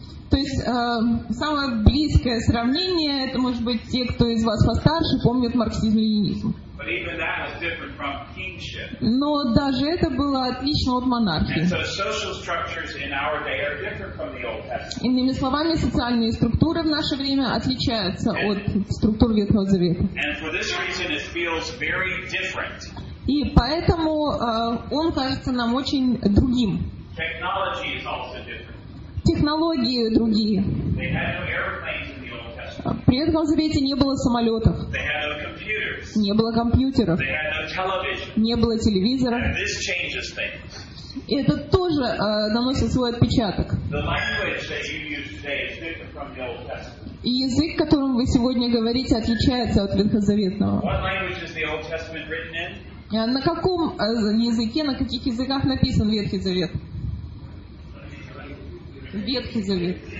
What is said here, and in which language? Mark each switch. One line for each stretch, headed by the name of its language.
Russian: То есть самое близкое сравнение, это может быть те, кто из вас постарше, помнят марксизм-ленинизм.
English: But even that was different from kingship.
Russian: Но даже это было отлично от монархии.
English: And so social structures in our day are different from the Old Testament.
Russian: Иными словами, социальные структуры в наше время отличаются от структур Ветхого Завета.
English: And for this reason it feels very different.
Russian: И поэтому он кажется нам очень другим.
English: Technology is also different.
Russian: Технологии другие.
English: They had no airplanes in the Old Testament.
Russian: При Ветхом Завете не было самолетов.
English: They had no computers.
Russian: Не было компьютеров.
English: They had no television.
Russian: Не было телевизора.
English: And this changes things.
Russian: И это тоже наносит свой отпечаток.
English: The language that you use today is different from the Old Testament.
Russian: И язык, которым вы сегодня говорите, отличается от ветхозаветного.
English: What language is the Old Testament written in?
Russian: На каком языке, на каких языках написан Ветхий Завет? Ветхий Завет.